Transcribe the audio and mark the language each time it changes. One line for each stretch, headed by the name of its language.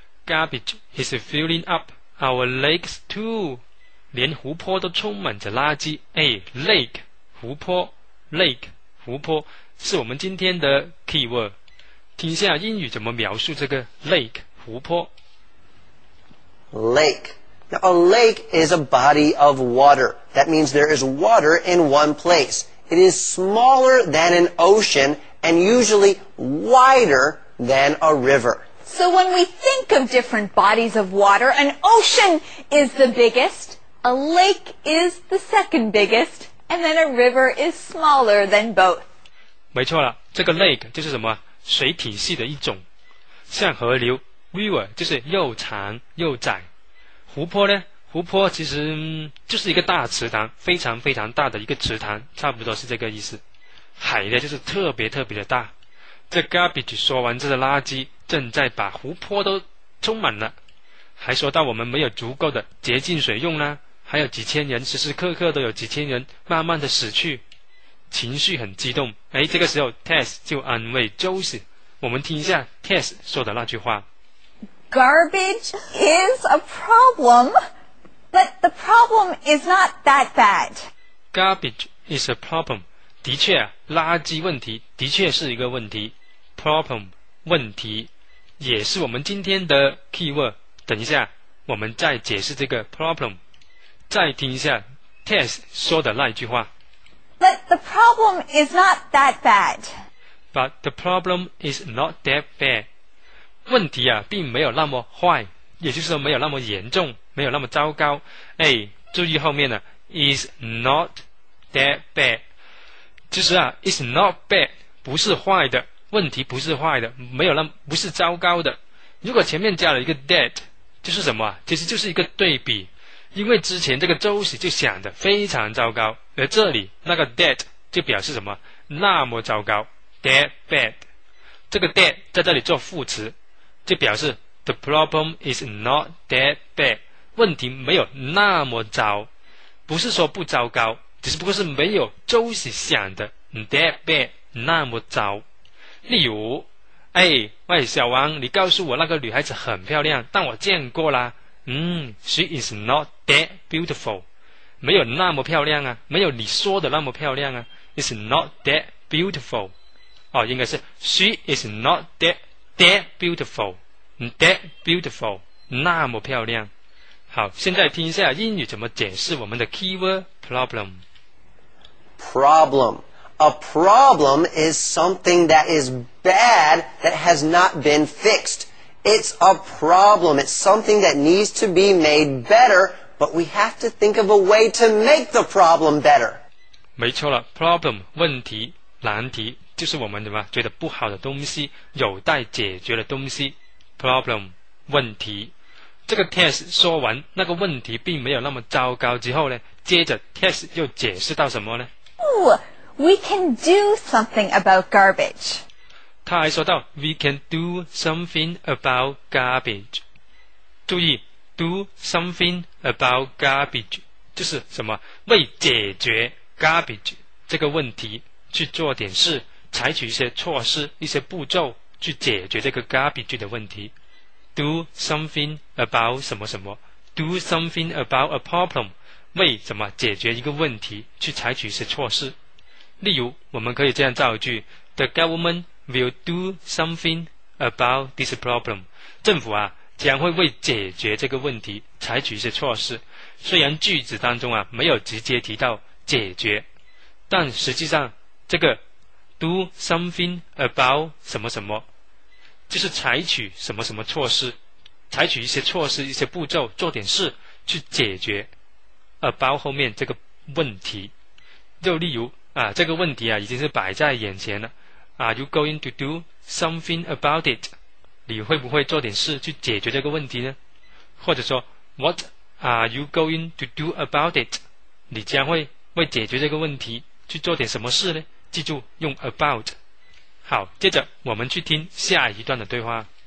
English: Garbage is filling up our lakes too。
Chinese: 连湖泊都充满着垃圾。哎 ，lake 湖泊 ，lake 湖泊是我们今天的 keyword。听一下英语怎么描述这个 lake 湖泊。
English: Lake. Now a lake is a body of water. That means there is water in one place. It is smaller than an ocean and usually wider than a river. So when we think of different bodies of water, an ocean is the biggest. A lake is the second biggest, and then a river is smaller than both.
Chinese: 没错了，这个 lake 就是什么水体系的一种，像河流 river 就是又长又窄。湖泊呢？湖泊其实、就是一个大池塘，非常非常大的一个池塘，差不多是这个意思。海呢，就是特别特别的大。这 garbage 说完，这个垃圾正在把湖泊都充满了。还说到我们没有足够的洁净水用啦，还有几千人时时刻刻都有几千人慢慢的死去，情绪很激动。哎，这个时候 Tess 就安慰 Josie， 我们听一下 Tess 说的那句话
English: ：Garbage is a problem, but the problem is not that bad. Garbage is a problem.
Chinese: 的确，垃圾问题的确是一个问题 ，problem 问题也是我们今天的 keyword。等一下，我们再解释这个 problem。再听一下 Tess 说的那一句话。
English: But the problem is not that bad. But the problem is not that bad.
Chinese: 问题啊，并没有那么坏，也就是说没有那么严重，没有那么糟糕。哎，注意后面的 is not that bad。其实啊 ，is not bad 不是坏的，问题不是坏的，没有那么不是糟糕的。如果前面加了一个 that。就是什么、其实就是一个对比，因为之前这个 Josie 就想得非常糟糕，而这里那个 that 就表示什么那么糟糕 that bad， 这个 that 在这里做副词，就表示
English: the problem is not that bad，
Chinese: 问题没有那么糟，不是说不糟糕，只是不过是没有 Josie 想的 that bad 那么糟。例如哎，喂，小王，你告诉我那个女孩子很漂亮，但我见过啦。
English: She is not that beautiful，
Chinese: 没有那么漂亮啊，没有你说的那么漂亮啊。
English: Is not that beautiful，
Chinese: 哦，应该是
English: She is not that beautiful， that beautiful，
Chinese: 那么漂亮。好，现在听一下英语怎么解释我们的 keyword problem。
English: Problem。 A problem is something that is bad that has not been fixed. It's a problem. It's something that needs to be made better, but we have to think of a way to make the problem better.
Chinese: 没错了 ，problem 问题、难题，就是我们什么觉得不好的东西，有待解决的东西。 Problem 问题，这个 test 说完那个问题并没有那么糟糕之后呢，接着 test 又解释到什么呢？
English: We can do something about garbage.
Chinese: 他还说到
English: ,we can do something about garbage.
Chinese: 注意 ,
English: do something about garbage,
Chinese: 就是什么为解决 garbage 这个问题去做点事，采取一些措施，一些步骤去解决这个 garbage 的问题。
English: Do something about
Chinese: 什么什么 ,
English: do something about a problem,
Chinese: 为什么解决一个问题去采取一些措施。例如我们可以这样造一句
English: The government will do something about this problem
Chinese: 政府啊将会为解决这个问题采取一些措施，虽然句子当中啊没有直接提到解决，但实际上这个 do something about 什么什么就是采取什么什么措施，采取一些措施一些步骤做点事去解决 about 后面这个问题。就例如啊，这个问题啊已经是摆在眼前了。
English: Are you going to do something about it?
Chinese: 你会不会做点事去解决这个问题呢？或者说
English: ，What are you going to do about it?
Chinese: 你将会为解决这个问题去做点什么事呢？记住用 about。好，接着我们去听下一段的对话。